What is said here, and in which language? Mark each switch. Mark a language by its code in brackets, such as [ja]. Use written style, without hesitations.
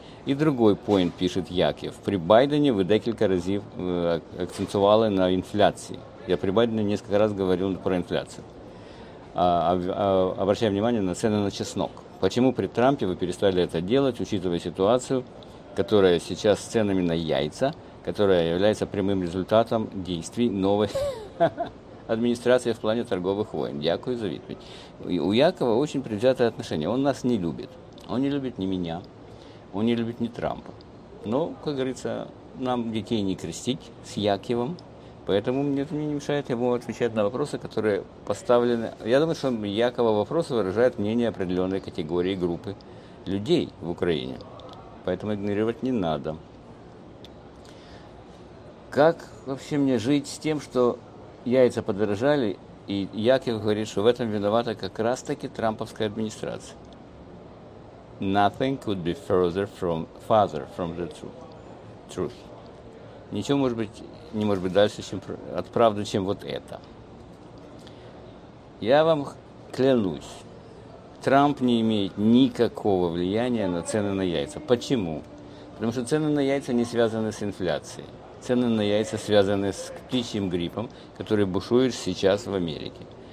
[uk] І другий поінт, пише Яків. При Байдені ви декілька разів акцентували на інфляції. Я при Байдені кілька разів говорив про інфляцію. [ru] Обращаю внимание на цены на чеснок. Почему при Трампе вы перестали это делать, учитывая ситуацию, которая сейчас с ценами на яйца, которая является прямым результатом действий новой администрации в плане торговых войн? [uk] Дякую за відповідь. [ru] У Якова очень предвзятое отношение. Он нас не любит. Он не любит ни меня, он не любит ни Трампа. Но, как говорится, нам детей не крестить с Яковом. Поэтому мне не мешает ему отвечать на вопросы, которые поставлены. Я думаю, что Якова вопросы выражают мнение определенной категории группы людей в Украине. Поэтому игнорировать не надо. Как вообще мне жить с тем, что яйца подорожали, и Яков говорит, что в этом виновата как раз-таки трамповская администрация? [en] Nothing could be further from father from the truth. [ru] Ничего может быть не может быть дальше, чем от правды, чем вот это. Я вам клянусь, Трамп не имеет никакого влияния на цены на яйца. Почему? Потому что цены на яйца не связаны с инфляцией. Цены на яйца связаны с птичьим гриппом, который бушует сейчас в Америке.